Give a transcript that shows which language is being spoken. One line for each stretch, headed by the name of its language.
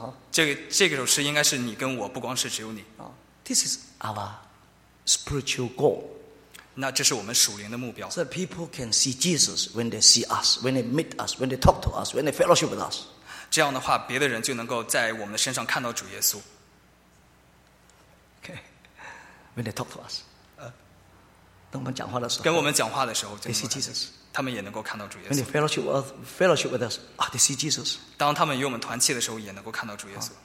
Chinese: 这个首诗应该是你跟我，不光是只有你。
English: This is our spiritual goal.
Chinese: 那这是我们属灵的目标。
English: So people can see Jesus when they see us, when they meet us, when they talk to us, when they fellowship with us.
Chinese: 这样的话，别的人就能够在我们的身上看到主耶稣。
English: Okay, when they talk to us,
Chinese: 跟我们讲话的时候，跟我们讲话的时候
English: ，they see Jesus.
Chinese: 他们也能够看到主耶稣。
English: When they fellowship with us, they see Jesus.
Chinese: 当他们与我们团契的时候，也能够看到主耶稣。